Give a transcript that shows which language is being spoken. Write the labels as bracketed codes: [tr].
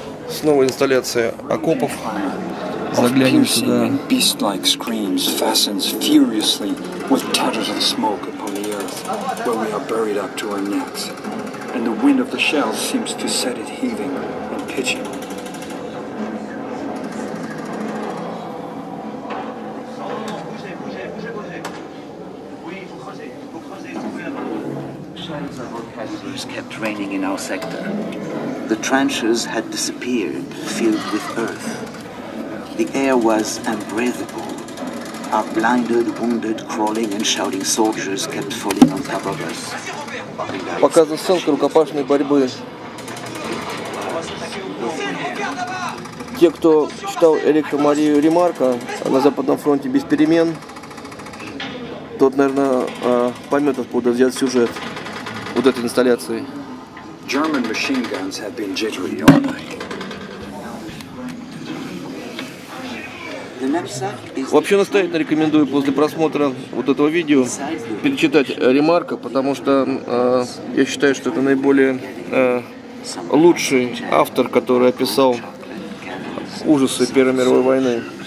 [ru] Снова инсталляция окопов. Заглянем сюда. [en] Beast-like screams fastens furiously with tatters of smoke upon the earth where we are buried up to our necks, and the wind of the shells seems to set it heaving and pitching. Shells kept raining in our sector. The trenches had disappeared, filled with earth. The air was unbreathable. Our blinded, wounded, crawling and shouting soldiers kept falling on top of us. [ru] Показана сцена рукопашной борьбы. Те, кто читал Эрика Марию Ремарка «На Западном фронте без перемен», тот, наверное, поймет, откуда взят сюжет вот этой инсталляции. [en] German machine guns have been jittering all night. [ru] Вообще настоятельно рекомендую после просмотра вот этого видео перечитать Ремарка, потому что я считаю, что это наиболее лучший автор, который описал ужасы Первой мировой войны.